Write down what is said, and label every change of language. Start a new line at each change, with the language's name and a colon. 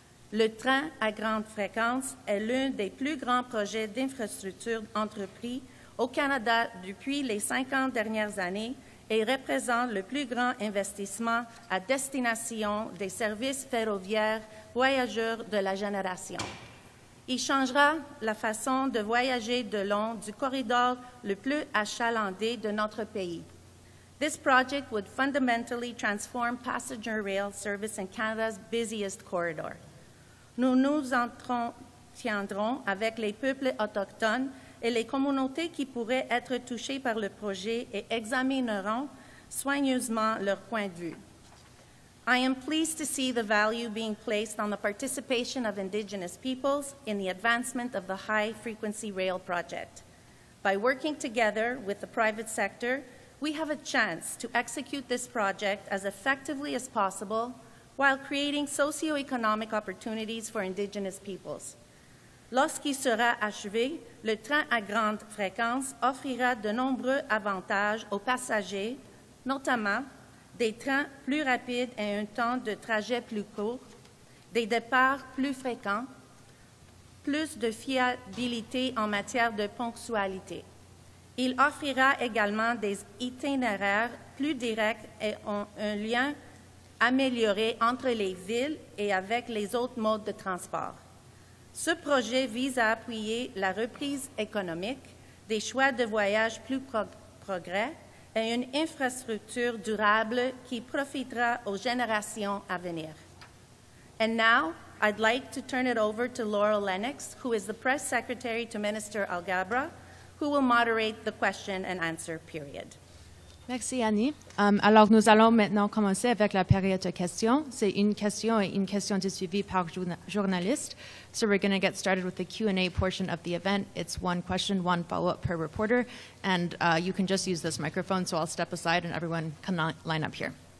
French: Le train à grande fréquence est l'un des plus grands projets d'infrastructure entrepris au Canada depuis les 50 dernières années et représente le plus grand investissement à destination des services ferroviaires voyageurs de la génération. Il changera la façon de voyager de long du corridor le plus achalandé de notre pays.
English: This project would fundamentally transform passenger rail service in Canada's busiest corridor.
French: Nous nous entretiendrons avec les peuples autochtones et les communautés qui pourraient être touchées par le projet et examineront soigneusement leur point de vue.
English: I am pleased to see the value being placed on the participation of Indigenous peoples in the advancement of the High Frequency Rail Project. By working together with the private sector, we have a chance to execute this project as effectively as possible while creating socio-economic opportunities for Indigenous peoples.
French: Lorsqu'il sera achevé, le train à grande fréquence offrira de nombreux avantages aux passagers, notamment des trains plus rapides et un temps de trajet plus court, des départs plus fréquents, plus de fiabilité en matière de ponctualité. Il offrira également des itinéraires plus directs et un lien amélioré entre les villes et avec les autres modes de transport. Ce projet vise à appuyer la reprise économique, des choix de voyage plus progrès et une infrastructure durable qui profitera aux générations à venir.
English: And now, I'd like to turn it over to Laurel Lennox, who is the press secretary to Minister Alghabra, who will moderate the question and answer period.
French: Merci, Annie. Alors, nous allons maintenant commencer avec la période de questions. C'est une question et une question de suivi par journaliste.
English: So we're going to get started with the Q&A portion of the event. It's one question, one follow-up per reporter. And you can just use this microphone, so I'll step aside and everyone can line up here.